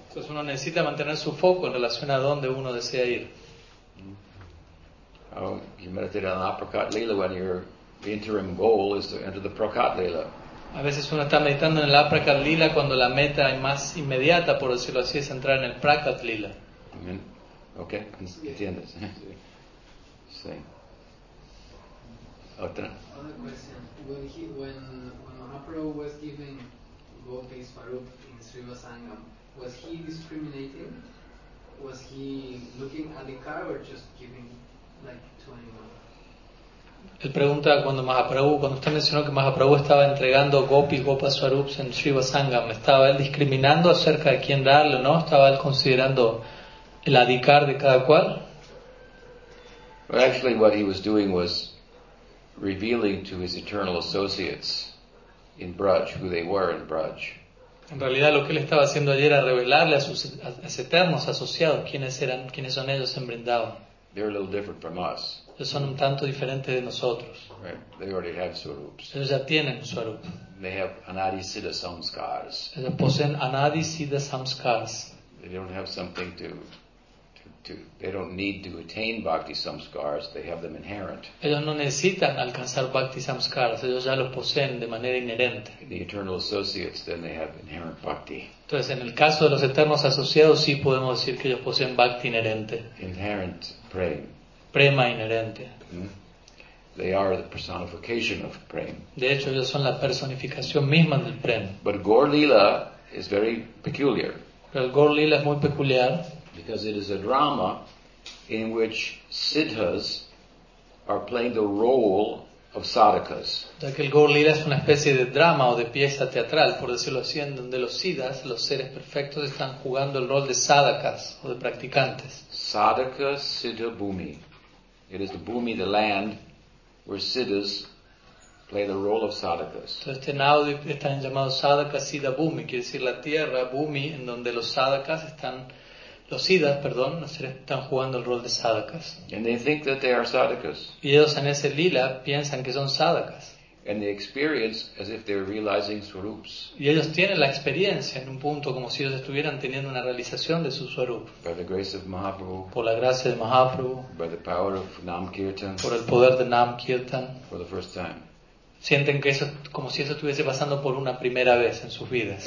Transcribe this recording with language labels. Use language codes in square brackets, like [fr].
[es] Entonces uno necesita mantener su foco en relación a dónde uno desea ir. [en] Oh, you meditate on the Aprakat Lila when your interim goal is to enter the Prakat Lila. [es] A veces uno está meditando en el Aprakat Lila cuando la meta más inmediata, por decirlo así, es entrar en el Prakat Lila. Amen. Okay, entiendes. Sí. Otra. [en] Other question. When Mahaprabhu was giving Gopis Swarup in Srivasangam, was he discriminating? Was he looking at the car or just giving like to anyone? [es] Él pregunta cuando Mahaprabhu, cuando usted mencionó que Mahaprabhu estaba entregando gopis, gopas, swarups en Shiva Sangam, ¿estaba él discriminando acerca de quién darle o no? ¿Estaba él considerando el adhikar de cada cual? [en] Well, actually what he was doing was revealing to his eternal associates in Braj who they were in Braj. [es] En realidad lo que él estaba haciendo allí era revelarle a sus eternos asociados quiénes eran, quiénes son ellos en Vrindavan. [en] They're a little different from us. [es] Ellos son un tanto diferentes de nosotros. [en] Right. They already have swarups. [es] Ellos ya tienen swarup. [en] They have anadi siddha samskars. [es] Ellos poseen anadi siddha samskars. [en] They don't have something to. They don't need to attain bhakti samskars. They have them inherent. [es] Ellos no necesitan alcanzar bhakti samskars. Ellos ya los poseen de manera inherente. [en] In the eternal associates, then they have inherent bhakti. [es] Entonces, en el caso de los eternos asociados, sí podemos decir que ellos poseen bhakti inherente. [en] Inherent prem. [es] Prema inherente. Mm-hmm. [en] They are the personification of prem. [es] De hecho, ellos son la personificación misma del prem. [en] But Gaur Lila is very peculiar. [es] Pero el Gaur Lila es muy peculiar. [en] Because it is a drama in which siddhas are playing the role of sadhakas. [es] Ya que el Gaur Lila es una especie de drama o de pieza teatral, por decirlo así, en donde los siddhas, los seres perfectos, están jugando el rol de sadhakas o de practicantes. [sa] Sadhaka siddha bhumi. [en] It is the bhumi, the land, where siddhas play the role of sadhakas. [es] Entonces, en audio están llamados sadhaka siddha bhumi, quiere decir la tierra, bhumi, en donde los sadhakas están. Los siddhas, perdón, están jugando el rol de sadhakas. [en] And they think that they are sadhakas. [es] Y ellos en ese lila piensan que son sadhakas. [en] And they experience as if they're realizing swarups. [es] Y ellos tienen la experiencia en un punto como si ellos estuvieran teniendo una realización de su swarup. [en] By the grace of Mahaprabhu. [es] Por la gracia de Mahaprabhu. [en] By the power of Nam Kirtan. [es] Por el poder de Nam Kirtan. [en] For the first time. [es] Sienten que eso como si eso estuviese pasando por una primera vez en sus vidas.